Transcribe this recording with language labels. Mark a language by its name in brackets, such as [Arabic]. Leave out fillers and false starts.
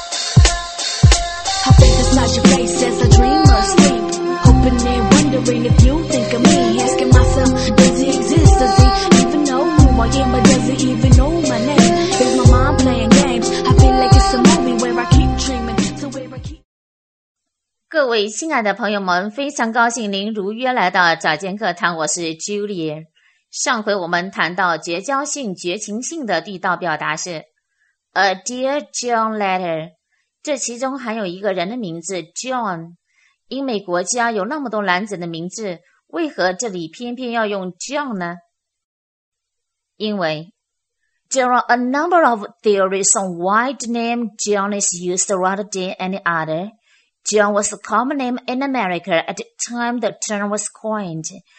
[English] wash your face as I dream or sleep. Hoping and wondering if you think of me. Asking myself, does he exist? Does he even know who I am? Or does he even know my name? Is my mind playing games? I feel like it's a movie where I keep dreaming. So where I keep... [Chinese] 各位亲爱的朋友们，非常高兴您如约来到早间课堂，我是 Julie。上回我们谈到绝交性、绝情性的地道表达是 [English] A dear John letter， [Chinese] 这其中含有一个人的名字 John。英美国家有那么多男子的名字，为何这里偏偏要用 John 呢？因为 [English] There are a number of theories on why the name John is used rather than any other。 John was a common name in America at the time the term was coined。